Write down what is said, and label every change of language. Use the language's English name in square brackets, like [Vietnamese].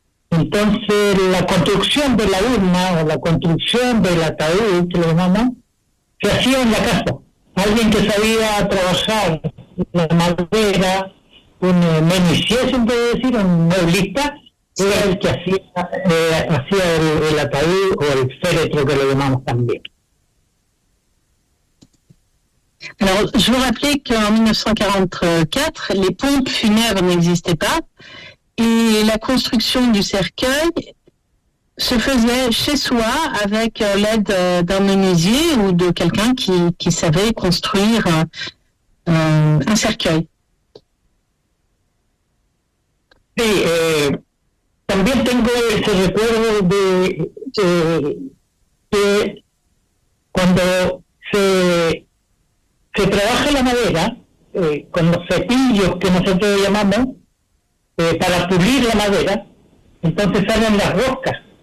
[Spanish] Entonces la construcción de la urna o la construcción del ataúd, que lo llamamos, se hacía en la casa. Alguien que sabía trabajar la madera, un menicier, se puede decir, un mueblista, era el que hacía el ataúd o el féretro, que lo llamamos también. [French] Alors, je vous rappelais qu'en 1944, les pompes funèbres n'existaient pas et la construction du cercueil se faisait chez soi avec l'aide d'un menuisier ou de quelqu'un qui savait construire un cercueil. [Spanish] Oui, también tengo ese recuerdo de cuando se trabaja la madera con los cepillos que nosotros llamamos para pulir la madera, entonces salen las roscas.